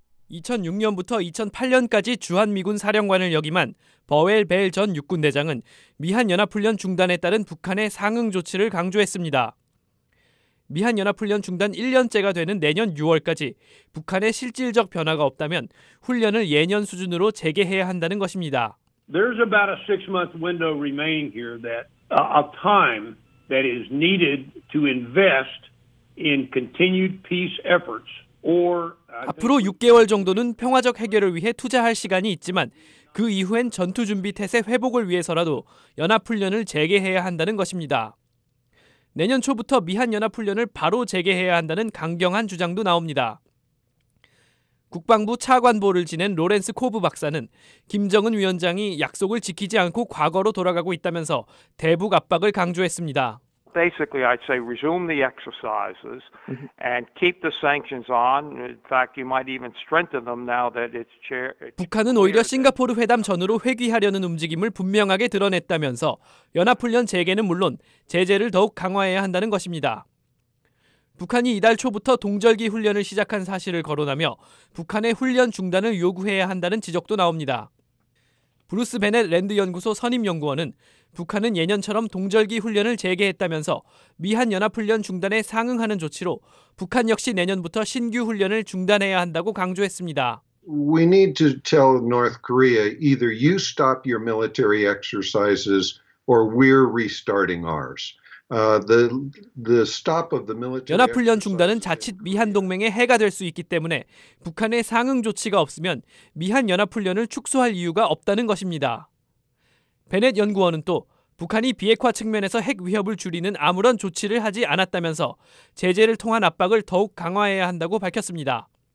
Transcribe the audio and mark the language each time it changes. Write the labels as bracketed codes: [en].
[ko] 2006년부터 2008년까지 주한미군 사령관을 역임한 버웰 벨 전 육군대장은 미한연합훈련 중단에 따른 북한의 상응 조치를 강조했습니다. 미한연합훈련 중단 1년째가 되는 내년 6월까지 북한의 실질적 변화가 없다면 훈련을 예년 수준으로 재개해야 한다는 것입니다. [en] There's about a six-month window remaining here that a time that is needed to invest in continued peace efforts or [ko] 앞으로 6개월 정도는 평화적 해결을 위해 투자할 시간이 있지만 그 이후엔 전투 준비 태세 회복을 위해서라도 연합훈련을 재개해야 한다는 것입니다. 내년 초부터 미한 연합훈련을 바로 재개해야 한다는 강경한 주장도 나옵니다. 국방부 차관보를 지낸 로렌스 코브 박사는 김정은 위원장이 약속을 지키지 않고 과거로 돌아가고 있다면서 대북 압박을 강조했습니다. [en] Basically, I'd say resume the exercises and keep the sanctions on. In fact, you might even strengthen them now that it's chair. [ko] 북한은 오히려 싱가포르 회담 전으로 회귀하려는 움직임을 분명하게 드러냈다면서 연합훈련 재개는 물론 제재를 더욱 강화해야 한다는 것입니다. 북한이 이달 초부터 동절기 훈련을 시작한 사실을 거론하며 북한의 훈련 중단을 요구해야 한다는 지적도 나옵니다. 브루스 베넷 랜드 연구소 선임 연구원은 북한은 예년처럼 동절기 훈련을 재개했다면서 미한 연합훈련 중단에 상응하는 조치로 북한 역시 내년부터 신규 훈련을 중단해야 한다고 강조했습니다. [en] We need to tell North Korea either you stop your military exercises or we're restarting ours. The stop of the military [ko] 연합훈련 중단은 자칫 미한 동맹에 해가 될 수 있기 때문에 북한의 상응 조치가 없으면 미한 연합훈련을 축소할 이유가 없다는 것입니다. 베넷 연구원은 또 북한이 비핵화 측면에서 핵 위협을 줄이는 아무런 조치를 하지 않았다면서 제재를 통한 압박을 더욱 강화해야 한다고 밝혔습니다.